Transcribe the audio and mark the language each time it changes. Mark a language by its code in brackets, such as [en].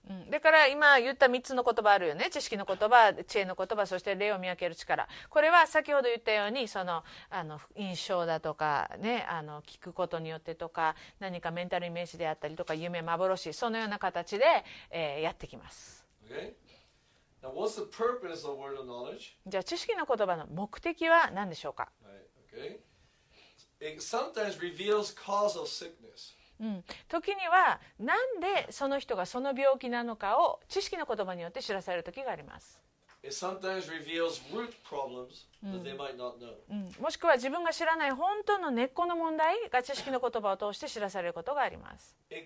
[ja] だから今言った3つの言葉あるよね。知識の言葉、知恵の言葉、そして霊を見分ける力。これは先ほど言ったようにそのあの印象だとか、ね、あの聞くことによってとか何かメンタルイメージであったりとか夢幻、そのような形で、やってきます。 [en] okay. Now, what's the purpose of word of knowledge? [ja] じゃあ知識の言葉の目的は何でしょうか。 [en] right. okay. It sometimes reveals cause of sickness. [ja] 時にはなんでその人がその病気なのかを知識の言葉によって知らされる時があります。もしくは自分が知らない本当の根っこの問題が知識の言葉を通して知らされることがあります。